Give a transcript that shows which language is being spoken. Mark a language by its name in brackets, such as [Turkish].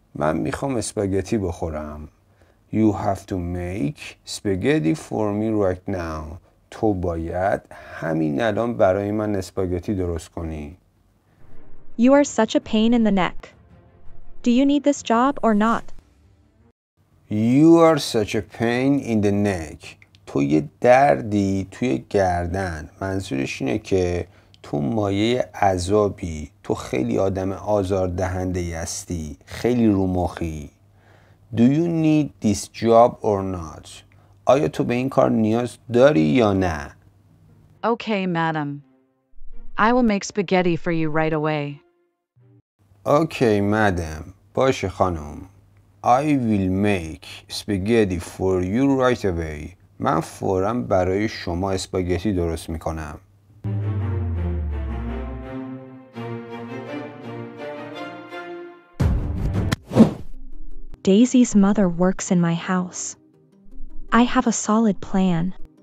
[Persian] من میخوام اسپاگتی بخورم. [English] You have to make spaghetti for me right now. [Persian] تو باید همین الان برای من اسپاگتی درست کنی. [English] You are such a pain in the neck. Do you need this job or not? You are such a pain in the neck. [Persian] تو یه دردی توی گردن. منظورش اینه که تو مایه عذابی، تو خیلی آدم آزاردهنده‌ای هستی، خیلی رومخی. [English] Do you need this job or not? [Persian] آیا تو به این کار نیاز داری یا نه؟ [English] Okay, madam. I will make spaghetti for you right away. Okay, madam. [Persian] باشه خانم. [English] I will make spaghetti for you right away. [Persian] من فوراً برای شما اسپاگتی درست می‌کنم. [English] Daisy's mother works in my house. I have a solid plan.